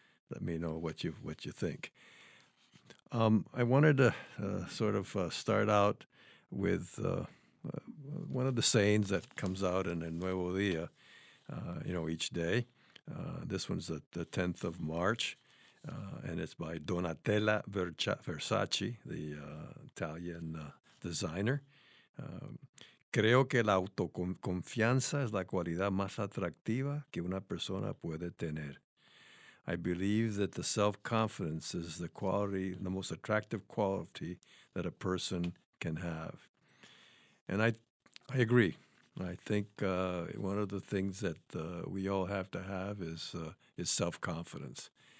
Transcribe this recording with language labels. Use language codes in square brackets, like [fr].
[en] Let me know what you think. I wanted to start out with one of the sayings that comes out in El Nuevo Día, each day. This one's the 10th of March, and it's by Donatella Versace, the Italian designer. [es] Creo que la autoconfianza es la cualidad más atractiva que una persona puede tener. [en] I believe that the self-confidence is the quality, the most attractive quality that a person can have. And I agree. I think one of the things that we all have to have is self-confidence.